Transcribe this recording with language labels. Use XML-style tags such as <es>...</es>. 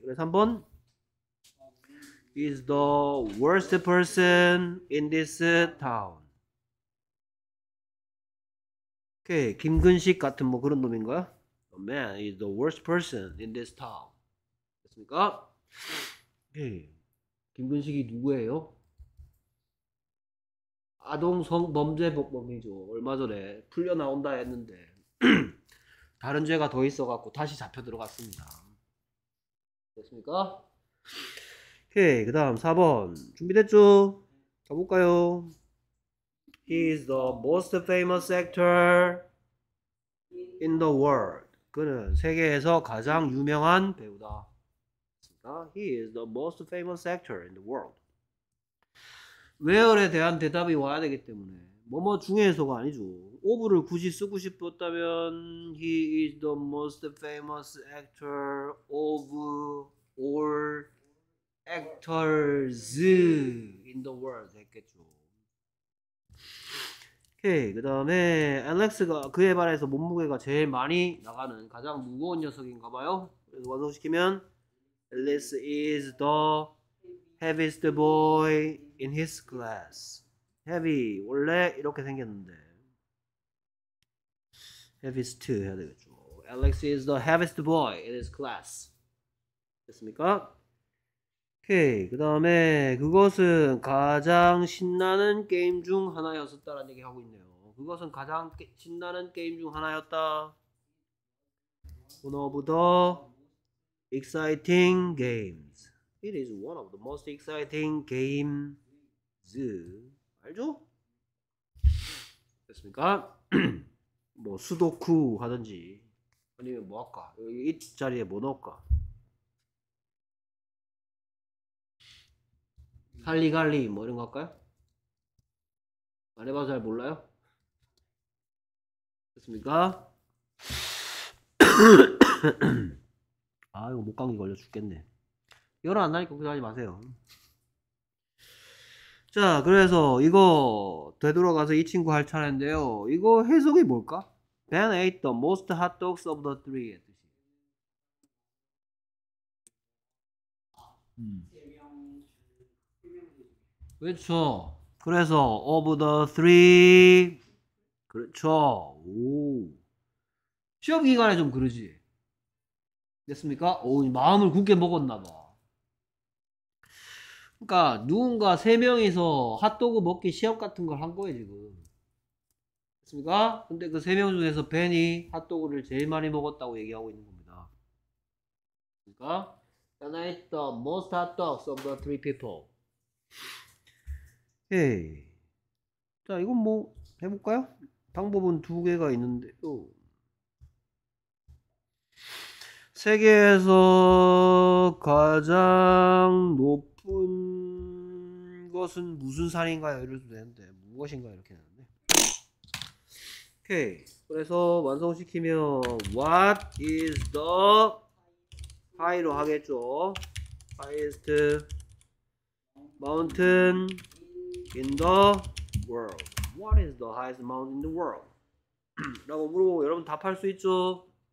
<ko>그래서</ko> <en>3번 is the worst person in this town.</en> <ko>오케이, 김근식 같은 뭐 그런 놈인가요?</ko> <en>The man is the worst person in this town.</en> <ko>됐습니까? 오케이, 김근식이 누구예요? 아동 성범죄 범이죠. 얼마 전에 풀려 나온다 했는데 다른 죄가 더 있어 갖고 다시 잡혀 들어갔습니다. 됐습니까? 오케이, 그 다음 4번 준비됐죠? 가볼까요?</ko> <en>He is the most famous actor in the world.</en> <ko>그는 세계에서 가장 유명한 배우다.</ko> <en>He is the most famous actor in the world.</en> <ko>Where에 대한 대답이 와야 되기 때문에 뭐뭐 중에서가 아니죠. Of를 굳이 쓰고 싶었다면</ko> <en>He is the most famous actor of all actors in the world</en> <ko>했겠죠. 오케이. 그 다음에 엘렉스가 그에 반해서 몸무게가 제일 많이 나가는 가장 무거운 녀석인가 봐요. 그래서 완성시키면</ko> <en>Alex is the heaviest boy in his class.</en> <ko>Heavy 원래 이렇게 생겼는데 heaviest 해야 되겠죠.</ko> <en>Alex is the heaviest boy in his class.</en> <ko>됐습니까? 오케이. 그 다음에 그것은 가장 신나는 게임 중 하나였었다 라는 얘기 하고 있네요. 그것은 가장 신나는 게임 중 하나였다.</ko> <en>One of the exciting games. It is one of the most exciting games.</en> <ko>알죠? 됐습니까? 뭐 수도쿠 하든지 아니면 뭐 할까? 이 자리에 뭐 넣을까? 할리갈리 뭐 이런 거 할까요? 안 해봐서 잘 몰라요? 됐습니까? 아 이거 목감기 걸려 죽겠네. 열 안 나니까 걱정하지 마세요. 자 그래서 이거 되돌아가서 이 친구 할 차례인데요. 이거 해석이 뭘까?</ko> <en>Ben ate the most hot dogs of the three.</en> <ko>그렇죠. 그래서</ko> <en>of the three</en> <ko>그렇죠. 오. 시험 기간에 좀 그러지. 됐습니까? 오, 마음을 굳게 먹었나 봐. 그러니까 누군가 세 명이서 핫도그 먹기 시합 같은 걸 한 거예요 지금. 됐습니까? 근데 그 세 명 중에서 벤이 핫도그를 제일 많이 먹었다고 얘기하고 있는 겁니다. 됐습니까?</ko> <en>Can I eat the most hot dogs of the three people?</en> <ko>헤이. 자, 이건 뭐 해볼까요? 방법은 두 개가 있는데. 오. 세계에서 가장 높은 것은 무슨 산인가요? 이래도 되는데 무엇인가 이렇게 되는데. 오케이. 그래서 완성시키면</ko> <en>What is the high</en> <ko>로 하겠죠.</ko> <en>Highest mountain in the world. What is the highest mountain in the world?</en> <ko>라고 물어보고 여러분 답할 수 있죠.</ko>